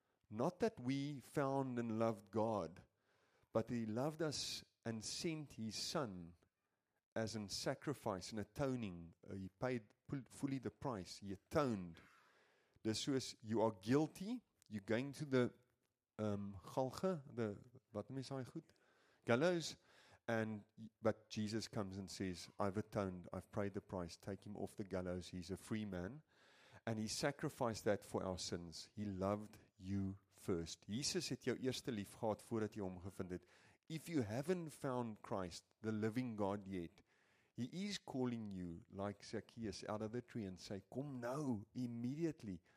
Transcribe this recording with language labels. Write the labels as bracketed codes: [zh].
[en] Not that we found and loved God, but he loved us and sent his son as a sacrifice and atoning. He paid fully the price. He atoned. This was, you are guilty. You're going to the [af] galge, the wat noem jy saai goed? [en] Gallows. And but Jesus comes and says, I've atoned, I've paid the price, take him off the gallows, he's a free man. And he sacrificed that for our sins. He loved you first. [af] Jesus het jou eerste lief gehad voordat jy hom gevind het. [en] If you haven't found Christ, the living God yet, he is calling you like Zacchaeus out of the tree and say, come now, immediately.